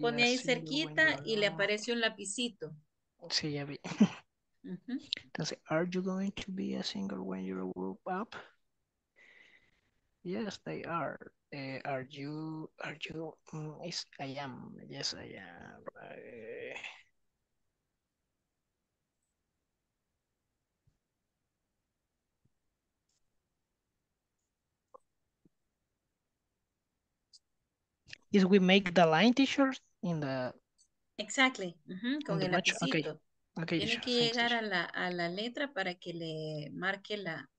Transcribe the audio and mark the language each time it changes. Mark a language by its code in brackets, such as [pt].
[es] pone ahí cerquita y le aparece un lapicito. Sí, ya vi. Entonces, [en] are you going to be a single when you grow up? Yes, they are. Are you? Yes, I am. Yes, I am. Is we make the line, teacher, in the... Exactly. [es] Mm-hmm. Con el lapicito. [en] Okay. Okay, [es] tiene que llegar a la letra para que le marque la